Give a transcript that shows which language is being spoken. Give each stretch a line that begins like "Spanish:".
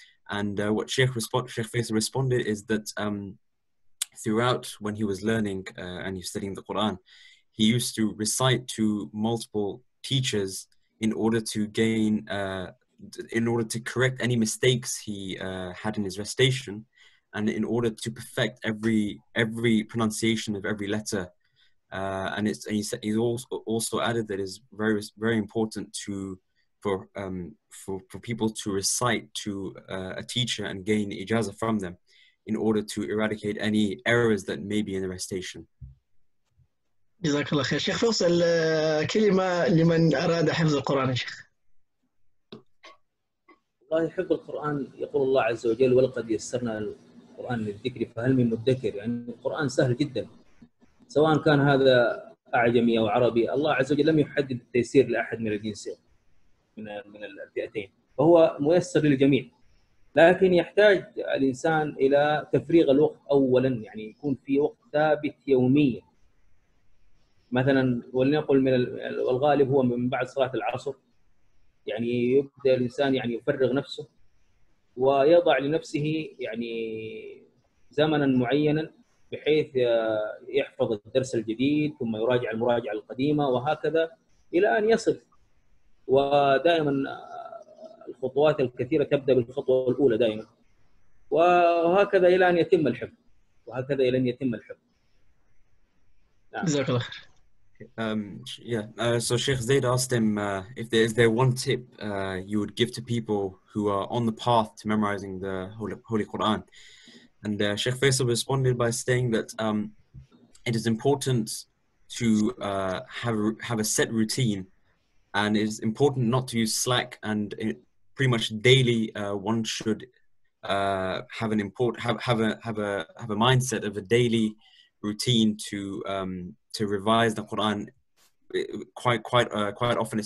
English: And what Sheikh Faisal responded is that throughout when he was learning and he was studying the Quran, he used to recite to multiple teachers in order to gain, in order to correct any mistakes he had in his recitation, and in order to perfect every pronunciation of every letter. And he also added that it's very very important to for people to recite to a teacher and gain ijazah from them in order to eradicate any errors that may be in the recitation.
Arabic: جزاك الله خير شيخ فوصل كلمة لمن أراد حفظ القرآن شيخ الله يحب القرآن يقول الله عز وجل ولقد يسرنا القرآن للذكر فهل من مدكر يعني القرآن سهل جدا سواء كان هذا أعجمي أو عربي الله عز وجل لم يحدد التيسير لأحد من الجنسين من الفئتين فهو ميسر للجميع لكن يحتاج الإنسان إلى تفريغ الوقت أولا يعني يكون في وقت ثابت يوميا مثلا ولنقل من الغالب هو من بعد صلاة العصر يعني يبدأ الإنسان يعني يفرغ نفسه ويضع لنفسه يعني زمنا معينا بحيث يحفظ الدرس الجديد ثم يراجع المراجعة القديمة وهكذا إلى أن يصل ودائما الخطوات الكثيرة تبدأ بالخطوة الأولى دائما وهكذا إلى أن يتم الحفظ وهكذا إلى أن يتم الحفظ نعم جزاك الله خير
English: So Sheikh Zayd asked him if there is one tip you would give to people who are on the path to memorizing the Holy Quran. And Sheikh Faisal responded by saying that it is important to have a set routine, and it is important not to use slack, and pretty much daily one should have a mindset of a daily routine to revise the Quran quite often.